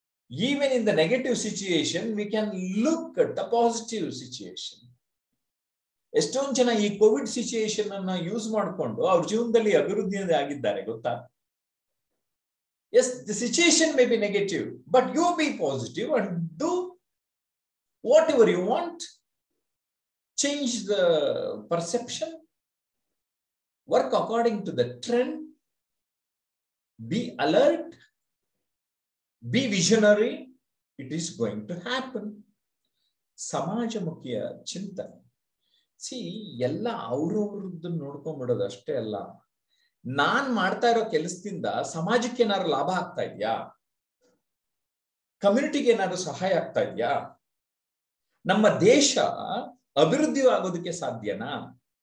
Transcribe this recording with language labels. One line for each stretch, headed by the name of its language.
English: Even in the negative situation we can look at the positive situation.
Kannada: ಎಷ್ಟೊಂದು ಜನ ಈ Covid situation ಅನ್ನ use ಮಾಡಿಕೊಂಡು ಅವ್ರ ಜೀವನದಲ್ಲಿ ಅಭಿವೃದ್ಧಿ ಆಗಿದ್ದಾರೆ ಗೊತ್ತಾ?
English: Yes, the situation may be negative, but you be positive and do whatever you want. Change the perception, work according to the trend, be alert, be visionary, it is going to happen.
Kannada: ಸಮಾಜಮುಖಿಯ ಚಿಂತನೆ. See, ಎಲ್ಲ ಅವ್ರವ್ರದ್ದು ನೋಡ್ಕೊಂಬಿಡೋದು ಅಷ್ಟೇ ಅಲ್ಲ, ನಾನ್ ಮಾಡ್ತಾ ಇರೋ ಕೆಲಸದಿಂದ ಸಮಾಜಕ್ಕೆ ಏನಾದ್ರು ಲಾಭ ಆಗ್ತಾ ಇದೆಯಾ? ಕಮ್ಯುನಿಟಿಗೆ ಏನಾದ್ರು ಸಹಾಯ ಆಗ್ತಾ ಇದೆಯಾ? ನಮ್ಮ ದೇಶ ಅಭಿವೃದ್ಧಿ ಆಗೋದಕ್ಕೆ ಸಾಧ್ಯನಾ?